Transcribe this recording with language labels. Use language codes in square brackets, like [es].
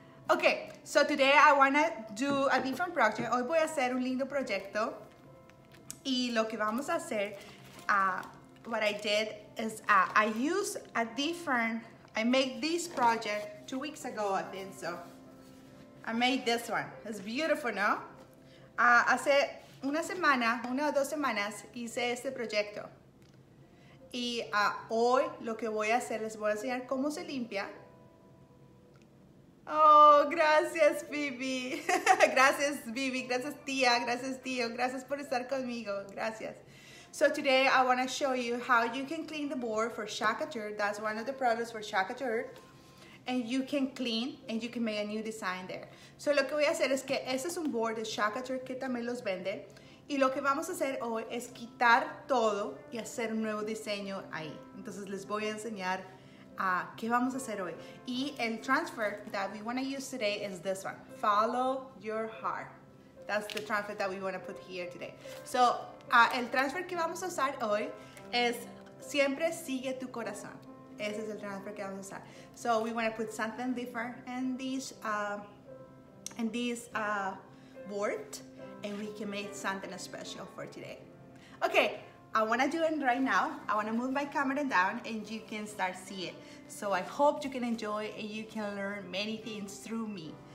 [en] Okay, so today I wanna do a different project. [es] Hoy voy a hacer un lindo proyecto. Y lo que vamos a hacer, [en] what I did is I made this project 2 weeks ago, I think so. I made this one. It's beautiful, no? [es] Hace una semana, una o dos semanas, hice este proyecto. Y hoy lo que voy a hacer, les voy a enseñar cómo se limpia. Oh, gracias, Bibi. Gracias, Bibi. Gracias, tía. Gracias, tío. Gracias por estar conmigo. Gracias. [en] So today I want to show you how you can clean the board for couture. That's one of the products for couture. And you can clean and you can make a new design there. [es] So lo que voy a hacer es que este es un board de couture que también los vende. Y lo que vamos a hacer hoy es quitar todo y hacer un nuevo diseño ahí. Entonces les voy a enseñar qué vamos a hacer hoy. Y el [en] transfer that we want to use today is this one. Follow your heart. That's the transfer that we want to put here today. [es] So el transfer que vamos a usar hoy es siempre sigue tu corazón. Ese es el transfer que vamos a usar. [en] So we want to put something different in this board, and we can make something special for today. Okay, I want to do it right now. I want to move my camera down and you can start seeing it. So I hope you can enjoy and you can learn many things through me.